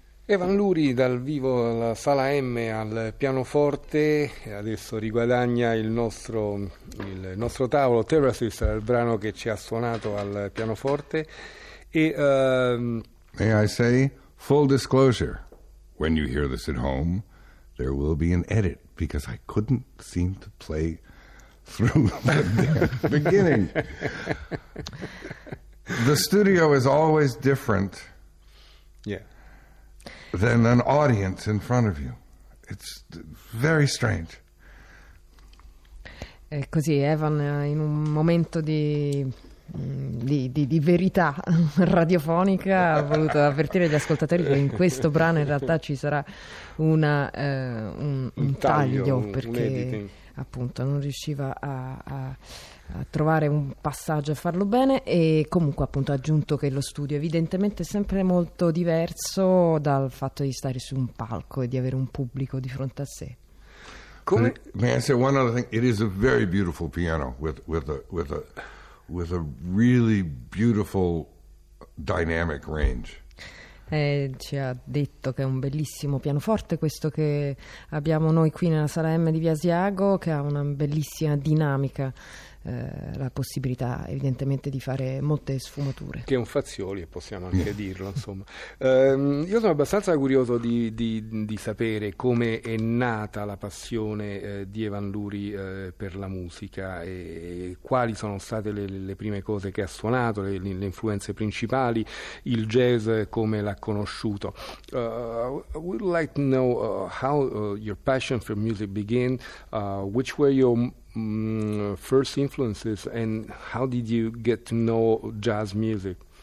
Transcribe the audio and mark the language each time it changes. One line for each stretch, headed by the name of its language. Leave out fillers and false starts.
Italian: Evan Luri dal vivo alla Sala M al pianoforte, adesso riguadagna il nostro tavolo. Terraces, il brano che ci ha suonato al pianoforte. E,
English: may I say, full disclosure, when you hear this at home, there will be an edit because I couldn't seem to play through the beginning. The studio is always different. Yeah. Than an audience in front of you. It's very strange.
Italian: È così, Evan, in un momento di verità radiofonica ha voluto avvertire gli ascoltatori che in questo brano in realtà ci sarà un taglio perché un appunto non riusciva a trovare un passaggio a farlo bene, e comunque appunto ha aggiunto che lo studio evidentemente è sempre molto diverso dal fatto di stare su un palco e di avere un pubblico di fronte a sé. Come...
English: May I say one other thing? It is a very beautiful piano with a really beautiful dynamic range.
Italian: Ci ha detto che è un bellissimo pianoforte questo che abbiamo noi qui nella Sala M di Via Asiago, che ha una bellissima dinamica, la possibilità evidentemente di fare molte sfumature. Che è un Fazioli, possiamo anche dirlo, insomma. Io sono abbastanza curioso di sapere come è nata la passione di Evan Luri per la musica e quali sono state le prime cose che ha suonato, le influenze principali, il jazz come l'ha conosciuto.
English: I would like to know how your passion for music began, which were your first influences, and how did you get to know jazz music?